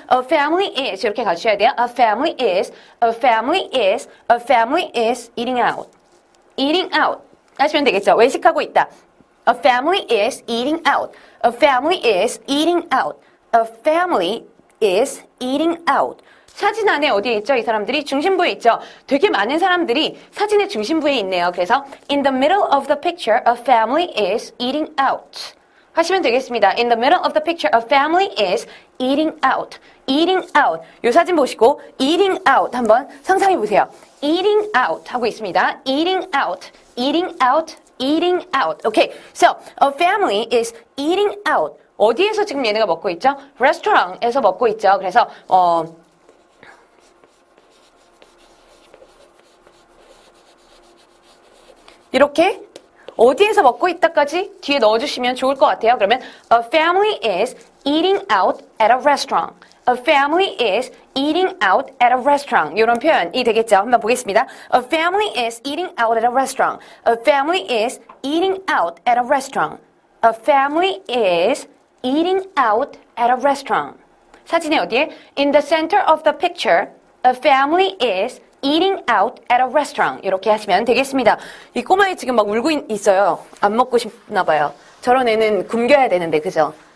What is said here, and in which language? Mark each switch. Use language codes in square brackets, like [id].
[en] A family is [ko] 이렇게 가주셔야 돼요. [en] A family is, a family is, a family is eating out. Eating out. [ko] 하시면 되겠죠. 외식하고 있다. [en] A family is eating out. A family is eating out. A family is eating out. [ko] 사진 안에 어디에 있죠? 이 사람들이 중심부에 있죠? 되게 많은 사람들이 사진의 중심부에 있네요. 그래서 [en] In the middle of the picture, a family is eating out. [ko] 하시면 되겠습니다. [en] In the middle of the picture, a family is eating out. Eating out. [ko] 이 사진 보시고 eating out 한번 상상해 보세요. [en] Eating out [ko] 하고 있습니다. [en] Eating out. Eating out. Eating out. Okay. So, a family is eating out. [ko] 어디에서 지금 얘네가 먹고 있죠? 레스토랑에서 먹고 있죠. 그래서 이렇게 어디에서 먹고 있다까지 뒤에 넣어주시면 좋을 것 같아요. [en] 그러면 A family is eating out at a restaurant. A family is eating out at a restaurant. [ko] 이런 표현이 되겠죠. 한번 보겠습니다. [en] A family is eating out at a restaurant. A family is eating out at a restaurant. A family is eating out at a restaurant. [ko] 사진에 어디에? [en] In the center of the picture, a family is eating out at a restaurant. [ko] 이렇게 하시면 되겠습니다. 이 꼬마애 지금 막 울고 있어요. 안 먹고 싶나 봐요. 저런 애는 굶겨야 되는데, 그죠?